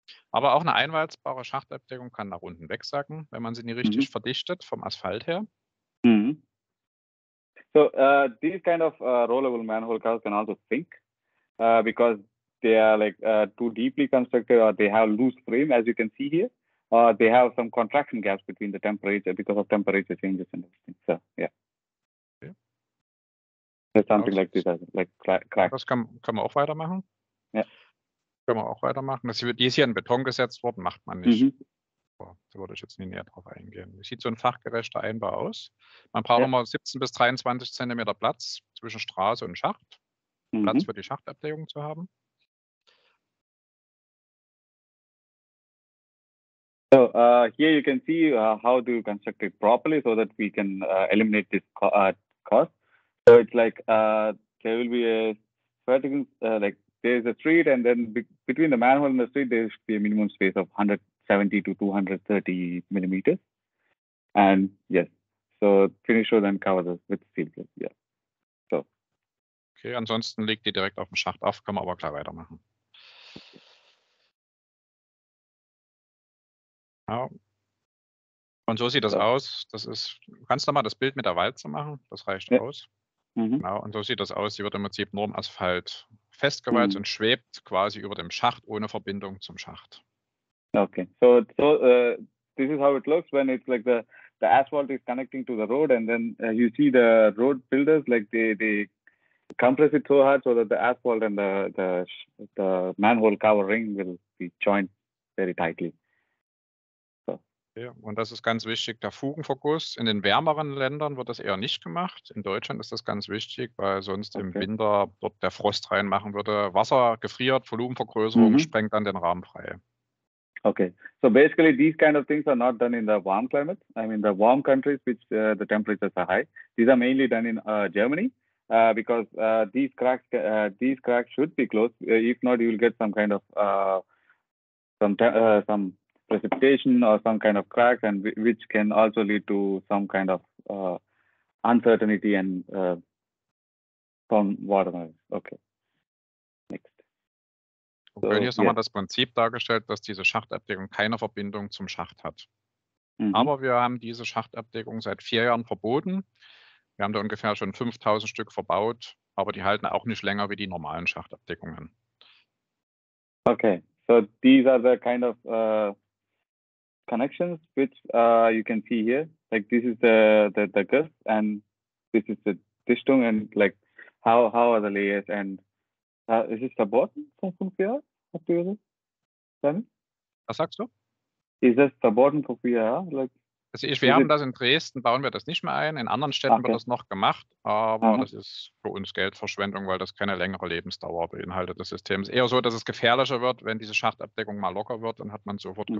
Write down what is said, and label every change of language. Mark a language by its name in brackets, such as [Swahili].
[German] Aber auch eine einwalzbare Schachtabdeckung kann nach unten wegsacken, wenn man sie nicht richtig verdichtet vom Asphalt her. Mm-hmm. [English] So these kind of rollable manhole covers can also sink because they are like too deeply constructed, or they have loose frame, as you can see here. They have some contraction gaps between the temperature because of temperature changes and everything. So, yeah. Okay. Something also, like this, like crack. [German] Das kann man auch weitermachen. Ja. Yeah. Können wir auch weitermachen. Die ist hier in Beton gesetzt worden, macht man nicht. Mhm. Boah, da würde ich jetzt nicht näher drauf eingehen. Wie sieht so ein fachgerechter Einbau aus? Man braucht immer 17 bis 23 Zentimeter Platz zwischen Straße und Schacht, Platz für die Schachtabdeckung zu haben. [English] So here you can see how to construct it properly so that we can eliminate this cost. So it's like there will be a vertical, like there's a street, and then between the manhole and the street, there should be a minimum space of 170 to 230 millimeters. And yes, so finish road and cover this with steel plate. Yeah. So. [German] Okay, ansonsten legt die direkt auf dem Schacht auf, kann man aber klar weitermachen. Genau. Und so sieht das aus. Das ist, du kannst nochmal das Bild mit der Walze machen. Das reicht aus. Mhm. Genau. Und so sieht das aus. Sie wird im Prinzip nur im Asphalt festgewalzt und schwebt quasi über dem Schacht ohne Verbindung zum Schacht. [English] Okay. So this is how it looks when it's like the the asphalt is connecting to the road, and then you see the road builders, like they compress it so hard so that the asphalt and the manhole cover ring will be joined very tightly. [German] Ja, und das ist ganz wichtig, der Fugenfokus. In den wärmeren Ländern wird das eher nicht gemacht. In Deutschland ist das ganz wichtig, weil sonst okay. im Winter dort der Frost reinmachen würde. Wasser gefriert, Volumenvergrößerung mm-hmm. sprengt dann den Rahmen frei. [English] Okay, so basically these kind of things are not done in the warm climate. I mean the warm countries, which the temperatures are high. These are mainly done in Germany, because these cracks should be closed. If not, you will get some kind of some precipitation or some kind of crack, and which can also lead to some kind of uncertainty and some water noise. Okay. Next. [German] Okay, so, hier ist nochmal das Prinzip dargestellt, dass diese Schachtabdeckung keine Verbindung zum Schacht hat. Mhm. Aber wir haben diese Schachtabdeckung seit 4 Jahren verboten. Wir haben da ungefähr schon 5000 Stück verbaut, aber die halten auch nicht länger wie die normalen Schachtabdeckungen. [English] Okay. So these are the kind of connections which you can see here, like this is the girth and this is the Dichtung, and like how are the layers, and is this the bottom from Fufia up to the [German] Sunny? Was sagst du? [English] Is this the bottom from Fufia? Like, [German] also wir haben das in Dresden, bauen wir das nicht mehr ein, in anderen Städten okay. wird das noch gemacht, aber uh-huh. das ist für uns Geldverschwendung, weil das keine längere Lebensdauer beinhaltet, das System. Ist eher so, dass es gefährlicher wird, wenn diese Schachtabdeckung mal locker wird, dann hat man sofort uh-huh.